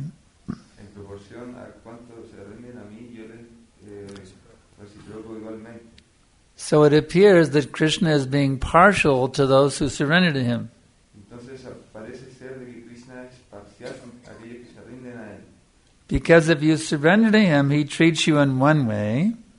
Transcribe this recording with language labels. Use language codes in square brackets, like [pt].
[es] En proporción a cuanto se rinden a mí, yo les reciprocó igualmente. [en] So it appears that Krishna is being partial to those who surrender to him. [es] Entonces, parece ser que Krishna es parcial con aquellos que se rinden a él. [en] Because if you surrender to him, he treats you in one way.